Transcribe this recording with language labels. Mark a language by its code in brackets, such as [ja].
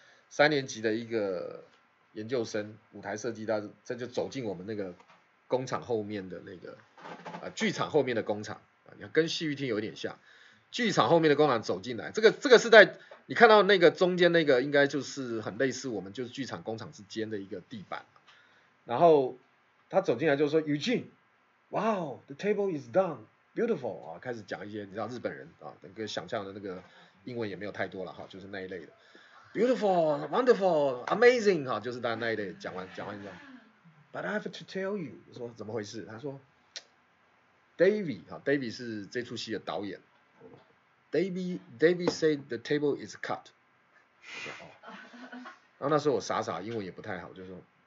[zh] 三年级的一个研究生舞台设计，他这就走进我们那个工厂后面的那个剧场后面的工厂啊，你看跟戏剧厅有点像，剧场后面的工厂走进来，这个是在你看到那个中间那个，应该就是很类似我们就是剧场工厂之间的一个地板。然后他走进来就说 ：“Eugene， [en] wow， the table is done， beautiful [zh] 啊。” 开始讲一些你知道日本人啊，那个想象的那个英文也没有太多了哈，就是那一类的。 [en] Beautiful, wonderful, amazing [zh] 哈，就是大家那一类讲完这样。 [en] But I have to tell you， [zh] 说怎么回事？他说 ，David 哈 ，David 是这出戏的导演。 [en] David said the table is cut。 [zh] 然后那时候我傻傻，英文也不太好，就说。